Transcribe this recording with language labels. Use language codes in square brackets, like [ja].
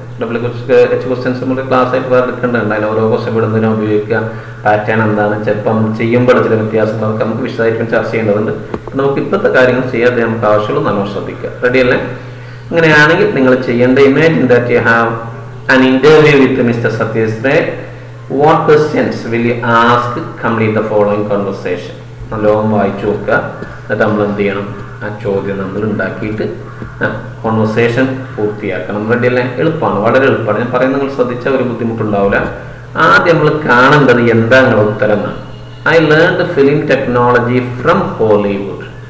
[ml] WH questions നമ്മൾ class ആയിട്ട് വേറെ എടുക്കേണ്ടത്. അതിന് ഓരോ ക്വസ്റ്റ്യൻ ഇടുന്നതിനാ ഉപയോഗിക്കുക, പാറ്റേൺ എന്താണ്, ചിലപ്പം ചെയ്യുമ്പോൾ ചില വ്യത്യാസങ്ങൾ അതൊക്കെ നമുക്ക് വിശദമായിട്ട് ചർച്ച ചെയ്യേണ്ടതുണ്ട്. നമുക്ക് ഇപ്പോഴത്തെ കാര്യങ്ങൾ ചെയ്യാതെ നമുക്ക് ആവശ്യമുള്ള നല്ലോണം ശ്രദ്ധിക്കുക. റെഡി അല്ലേ? അങ്ങനെയാണെങ്കിൽ നിങ്ങൾ ചെയ്യേണ്ട, [en] Imagine that you have an interview with Mr. Satish Ray. What questions will you ask? Complete the following conversation. [ml] നല്ലോണം വായിച്ചു നോക്കുക. എന്നിട്ട് നമ്മൾ എന്ത് ചെയ്യണം? ആ ചോദ്യം നമ്മൾ ഉണ്ടാക്കിയിട്ട് കോൺവെർസേഷൻ പൂർത്തിയാക്കണം. റെഡി അല്ലേ? എളുപ്പമാണ്, വളരെ എളുപ്പമാണ്. ഞാൻ പറയുന്നത് നിങ്ങൾ ശ്രദ്ധിച്ചാൽ ഒരു ബുദ്ധിമുട്ടുണ്ടാവില്ല. ആദ്യം നമ്മൾ കാണേണ്ടത് എന്താണ് ഉത്തരമാണ്. [en] I learn the film technology from Hollywood.